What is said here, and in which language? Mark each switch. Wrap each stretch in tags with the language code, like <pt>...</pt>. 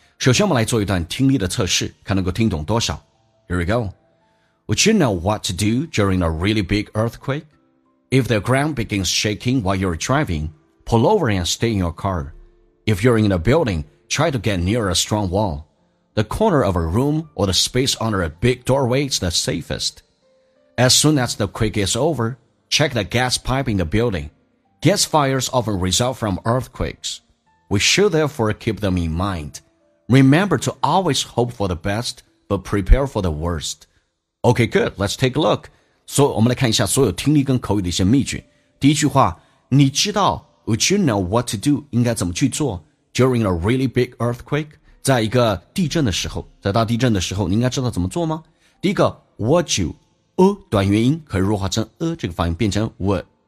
<zh>首先我们来做一段听力的测试，看能够听懂多少。</zh> <en>Here we go. Would you know what to do during a really big earthquake? If the ground begins shaking while you're driving, pull over and stay in your car. If you're in a building, try to get near a strong wall. The corner of a room or the space under a big doorway is the safest. As soon as the quake is over, check the gas pipe in the building. Gas fires often result from earthquakes. We should therefore keep them in mind. Remember to always hope for the best, but prepare for the worst. Okay, good. Let's take a look.</en> <zh>So, 我们来看一下所有听力跟口语的一些秘诀。第一句话，你知道 ,</zh> <en>would you know what to do,</en> <zh>应该怎么去做 ,</zh> <en>during a really big earthquake,</en> <zh>在一个地震的时候，在大地震的时候，你应该知道怎么做吗？第一个 ,</zh> <en>would you,</en> <zh>短元音可以弱化成这个发音变成 would.</zh>